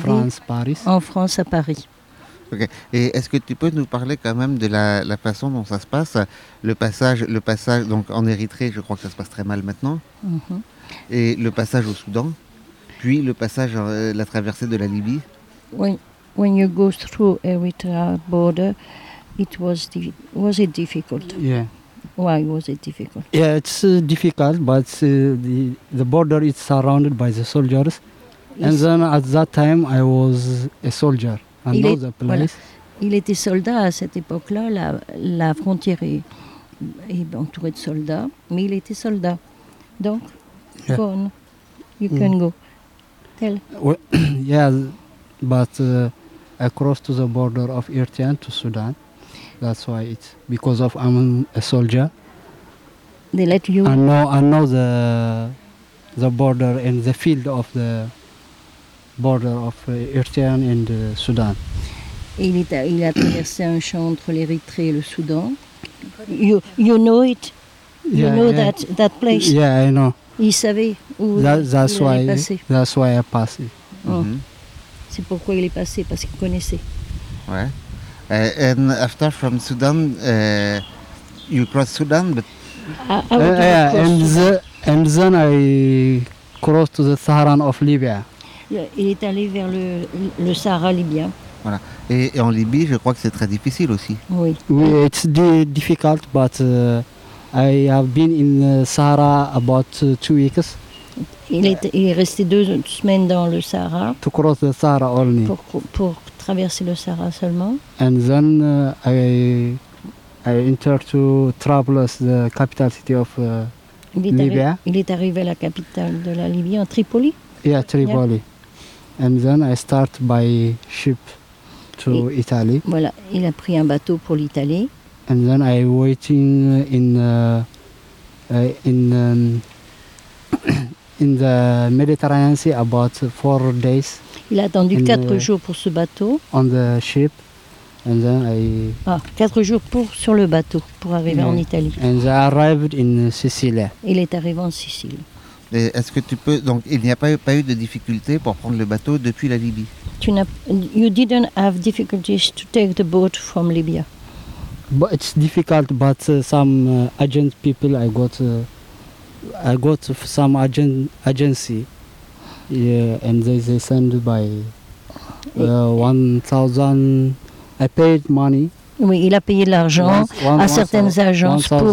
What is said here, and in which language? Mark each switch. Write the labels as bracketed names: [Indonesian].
[French] France, Paris. En France à Paris. Okay. Et est-ce que tu peux nous parler quand même de la façon dont ça se passe, le passage donc en Érythrée, je crois que ça se passe très mal maintenant, et le passage au Soudan, puis le passage, la traversée de la Libye. [English] When you go through Eritrea border, was it difficult? Yeah. Why was it difficult? Yeah, it's difficult, but the border is surrounded by the soldiers, and then at that time I was a soldier. [French] Il était soldat à cette époque-là, la frontière est entourée de soldats, mais il était soldat. [English] Donc, go on, you can go. Tell. Well, yeah, but I crossed to the border of Eritrea to Sudan. That's why it's because of I'm a soldier. They let you. I know the border and the field of the border of Eritrea and Sudan. [French] Il a traversé un champ entre l'Érythrée et le Soudan. [English] You know it. You yeah, know yeah. that place. Yeah, I know. [French] Il savait où il allait passer. [English] That's why I passed. Oh. Mm-hmm. [French] C'est pourquoi il est passé, parce qu'il connaissait. Ouais. [English] And after from Sudan, you crossed Sudan, but and then I crossed to the Sahara of Libya. [French] Il est allé vers le Sahara libyen. Voilà. Et en Libye, je crois que c'est très difficile aussi. Oui. [English] Oui, it's difficult, but I have been in the Sahara about 2 weeks. [French] Il est resté 2 semaines dans le Sahara. [English] To cross the Sahara only. [French] Pour traverser le Sahara seulement. [English] And then I entered to Tripolis, the capital city of Libya. [French] Il est arrivé à la capitale de la Libye, en Tripoli. [English] Yeah, Tripoli. Yeah. And then I start by ship. To Italy. [French] Voilà, il a pris un bateau pour l'Italie. [English] And then I waiting in the Mediterranean Sea about 4 days. [French] Il a attendu 4 jours pour ce bateau. [English] On the ship, and then I. [French] Ah, 4 jours sur le bateau pour arriver en Italie. [English] And I arrived in Sicily. Il est arrivé en Sicile. [French] Et est-ce que tu peux donc il n'y a pas eu de difficulté pour prendre le bateau depuis la Libye? [English] You didn't have difficulties to take the boat from Libya. But it's difficult, but some agent people I got some agency, yeah, and they send by 1,000. I paid money. [French] Oui, il a payé l'argent à certaines agences pour